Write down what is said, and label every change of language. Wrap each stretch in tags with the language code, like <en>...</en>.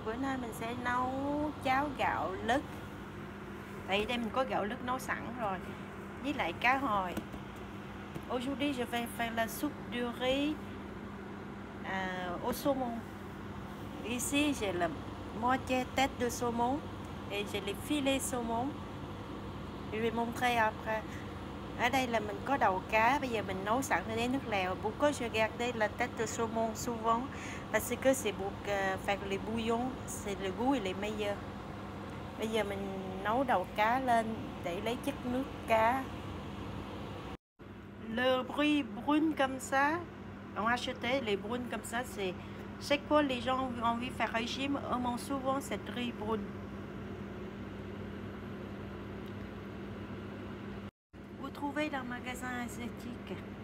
<vi>Bữa nay mình sẽ nấu cháo gạo lứt. Tại đây mình có gạo lứt nấu sẵn rồi, với lại cá hồi.</vi> <fr>Aujourd'hui, je vais faire la soupe de riz au saumon. Ici, j'ai la moitié tête de saumon et j'ai les filets saumon. Je vais montrer après.</fr> <vi>Ở đây là mình có đầu cá, bây giờ mình nấu sẵn lên nước lèo.</vi> <fr>Pourquoi je garde la tête de saumon souvent? Parce que c'est pour faire les bouillons, c'est le goût et les meilleurs.</fr> <vi>Bây giờ mình nấu đầu cá lên để lấy chất nước cá.</vi> <fr>Le riz brune comme ça, on achète les brunes comme ça, c'est chaque fois les gens ont envie de faire régime, on mange souvent cette riz brune. Vous trouvez dans le magasin asiatique.</fr>